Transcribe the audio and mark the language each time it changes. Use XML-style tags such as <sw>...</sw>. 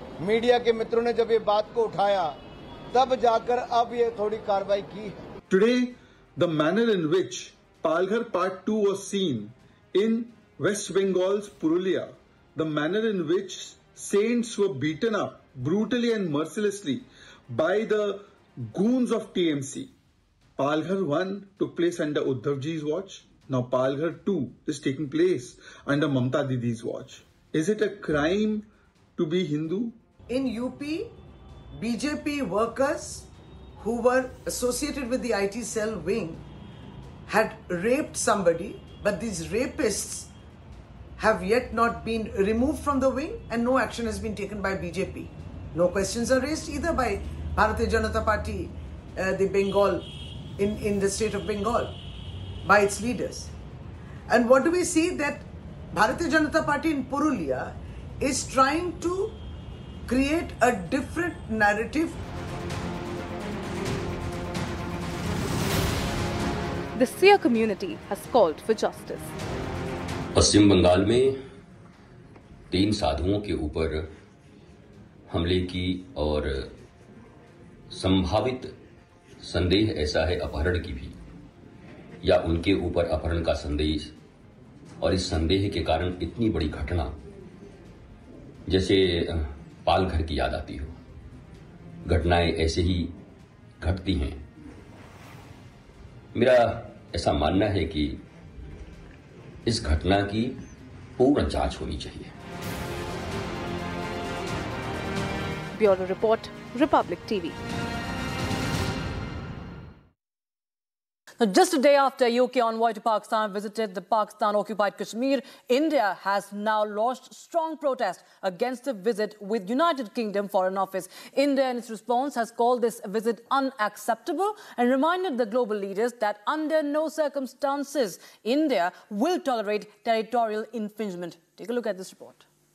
<hi>Media के मित्रों ने जब ये बात को उठाया तब जाकर अब ये थोड़ी कार्रवाई की.</hi> <en>Today the manner in which Palghar part two was seen in West Bengal's Purulia, the manner in which saints were beaten up brutally and mercilessly by the goons of TMC. Palghar 1 took place under Uddhavji's watch. Now Palghar 2 is taking place under Mamata Didi's watch. Is it a crime to be Hindu? In UP, BJP workers who were associated with the IT cell wing had raped somebody, but these rapists have yet not been removed from the wing and no action has been taken by BJP. No questions are raised either by Bharatiya Janata Party, the Bengal, in the state of Bengal, by its leaders. And what do we see? That Bharatiya Janata Party in Purulia is trying to create a different narrative. The Sikh community has called for justice.</en> <hi>Pashchim Bengal mein teen sadhuon ke upar hamle ki aur संभावित संदेह ऐसा है अपहरण की भी, या उनके ऊपर अपहरण का संदेश और इस संदेह के कारण इतनी बड़ी घटना जैसे पालघर की याद आती हो. घटनाएं ऐसे ही घटती हैं. मेरा ऐसा मानना है कि इस घटना की पूर्ण जांच होनी चाहिए. Bureau report, Republic TV.</hi> <en>Now, just a day after UK envoy to Pakistan visited the Pakistan-occupied Kashmir, India has now launched strong protest against the visit with United Kingdom Foreign Office. India, in its response, has called this visit unacceptable and reminded the global leaders that under no circumstances India will tolerate territorial infringement. Take a look at this report.</en>